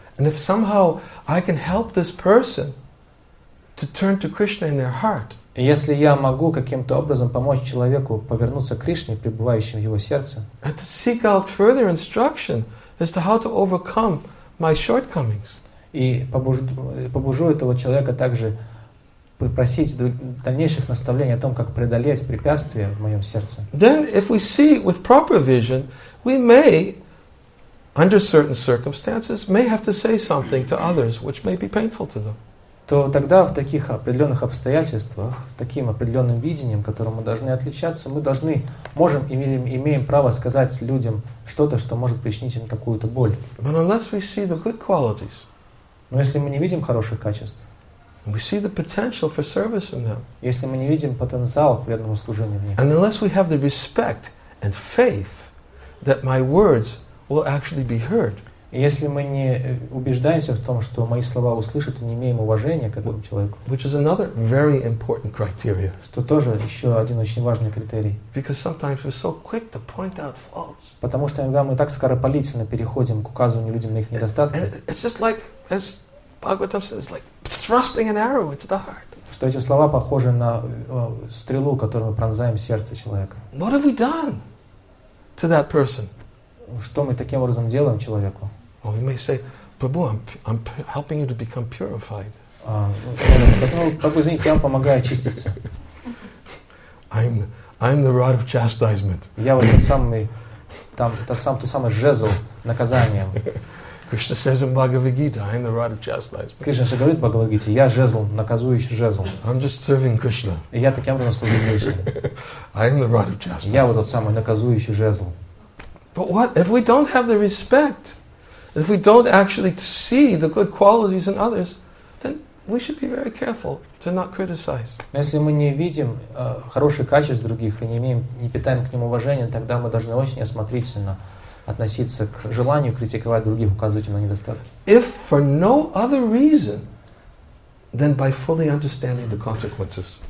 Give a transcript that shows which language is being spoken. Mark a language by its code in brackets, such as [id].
[en] And if somehow I can help this person to turn to Krishna in their heart. [ru] И если я могу каким-то образом помочь человеку повернуться к Кришне, пребывающему в его сердце. [en] And to seek out further instruction as to how to overcome my shortcomings. [ru] И побужу этого человека также попросить дальнейших наставлений о том, как преодолеть препятствия в моем сердце. [en] Then, if we see with proper vision, we may, under certain circumstances, may have to say something to others, which may be painful to them. [ru] То тогда в таких определенных обстоятельствах, с таким определенным видением, которым мы должны отличаться, мы должны, можем или имеем право сказать людям что-то, что может причинить им какую-то боль. [en] But unless we see the good qualities, [ru] но если мы не видим хороших качеств, [en] we see the potential for service in them. [ru] Если мы не видим потенциал к преданному служению в них. [en] And unless we have the respect and faith that my words will actually be heard. [ru] Если мы не убеждаемся в том, что мои слова услышат, и не имеем уважения к этому человеку. [en] Which is another very important criteria. [ru] Что тоже еще один очень важный критерий. [en] Because sometimes we're so quick to point out faults. [ru] Потому что иногда мы так скоропалительно переходим к указыванию людям на их недостатки. [en] It's just like as Bhagavatam says, like thrusting an arrow into the heart. [ru] Что эти слова похожи на стрелу, которую мы пронзаем сердце человека. [en] What have we done to that person? [ru] Что мы таким образом делаем человеку? [en] Well, we may say, Prabhu, I'm helping you to become purified. [ru] Извините, я вам помогаю очиститься. [en] I'm the rod of chastisement. [ru] Я вот тот самый, там, тот самый жезл наказания. [en] Krishna says in Bhagavad Gita, I'm the rod of chastisement. [ru] Кришна же говорит в Бхагавад Гите, я жезл, наказующий жезл. [en] I'm just serving Krishna. [ru] И я таким образом служу Кришне. [en] I'm the rod of chastisement. [ru] Я вот тот самый наказующий жезл. [en] But what if we don't have the respect? If we don't actually see the good qualities in others, then we should be very careful to not criticize. [ru] Но если мы не видим хорошие качества других и не имеем, не питаем к ним уважения, тогда мы должны очень осмотрительно относиться к желанию критиковать других, указывать им на недостатки. [en] If for no other reason than by fully understanding the consequences.